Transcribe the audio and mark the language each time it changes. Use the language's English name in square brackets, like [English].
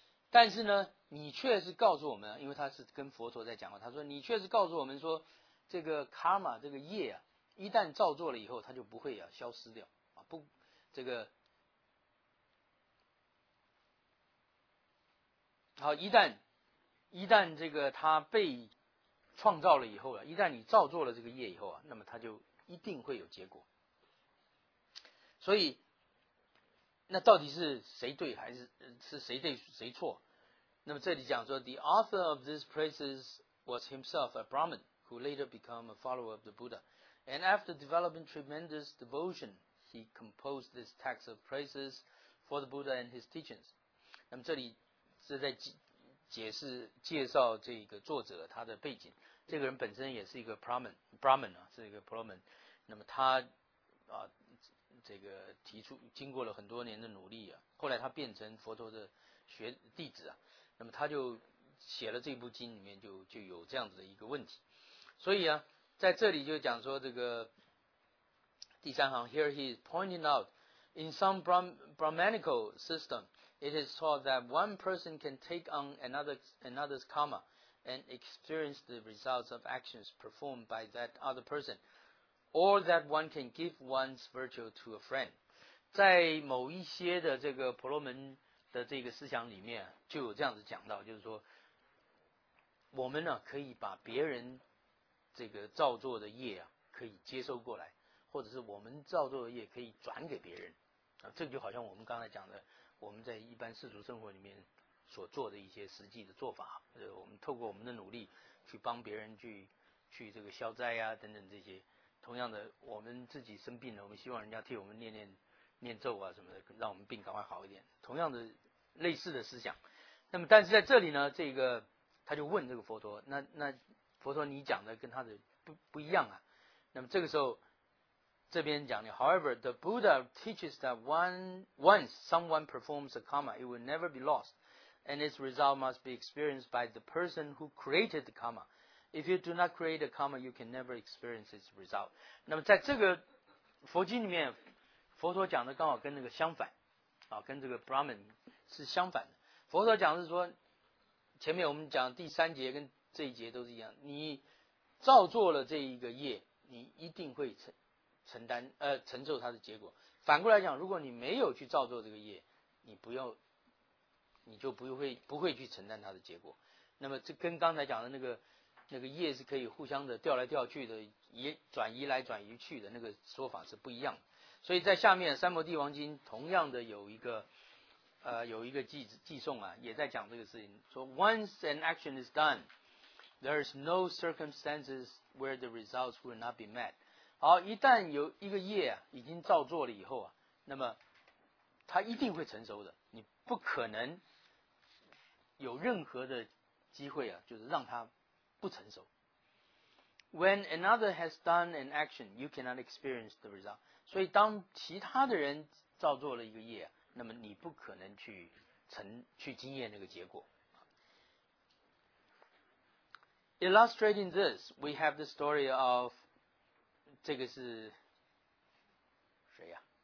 [Chinese] 但是呢你确实告诉我们，因为他是跟佛陀在讲话，他说你确实告诉我们说这个 karma 这个业啊，一旦造作了以后它就不会、啊、消失掉、啊、不这个好，一旦这个它被创造了以后啊，一旦你造作了这个业以后啊，那么它就一定会有结果。所以那到底是谁对还是谁对谁错，那么这里讲说 [English] The author of these praises was himself a Brahmin who later became a follower of the Buddha and after developing tremendous devotionHe composed this text of praises for the Buddha and his teachings. [Chinese] 那么这里是在解释介绍这个作者他的背景。这个人本身也是一个 Brahmin、啊、是一个婆罗门。那么他、啊、这个提出经过了很多年的努力、啊、后来他变成佛陀的学弟子、啊、那么他就写了这部经里面就有这样子的一个问题。所以啊在这里就讲说这个第三行 [English] here he is pointing out in some Brahmanical system it is taught that one person can take on another's karma and experience the results of actions performed by that other person or that one can give one's virtue to a friend. [Chinese] 在某一些的这个婆罗门的这个思想里面就有这样子讲到，就是说我们呢可以把别人这个造作的业啊可以接收过来，或者是我们造作的业可以转给别人、啊、这个就好像我们刚才讲的我们在一般世俗生活里面所做的一些实际的做法，我们透过我们的努力去帮别人去这个消灾啊等等这些。同样的，我们自己生病了，我们希望人家替我们念咒啊什么的，让我们病赶快好一点。同样的类似的思想。那么但是在这里呢，这个他就问这个佛陀，那佛陀你讲的跟他的不一样啊。那么这个时候这边讲的 [English] However, the Buddha teaches that once someone performs a karma, it will never be lost, and its result must be experienced by the person who created the karma. If you do not create a karma, you can never experience its result. [Chinese] 那么在这个佛经里面，佛陀讲的刚好跟那个相反啊，跟这个 Brahman 是相反的。佛陀讲的是说，前面我们讲第三节跟这一节都是一样，你造作了这一个业，你一定会承受它的结果。反过来讲，如果你没有去造作这个业，你就不会去承担它的结果。那么这跟刚才讲的那个业是可以互相的调来调去的，也转移来转移去的那个说法是不一样的。所以在下面《三摩地王经》同样的有一个偈颂啊，也在讲这个事情，说 [English] Once an action is done, there is no circumstances where the results will not be met。 [Chinese] 好，一旦有一个业啊已经造作了以后啊，那么它一定会成熟的，你不可能有任何的机会啊，就是让它不成熟。 [English] When another has done an action, you cannot experience the result. [Chinese] 所以当其他的人造作了一个业，那么你不可能去经验那个结果。 [English] Illustrating this, we have the story of [Chinese] 这个是谁呀？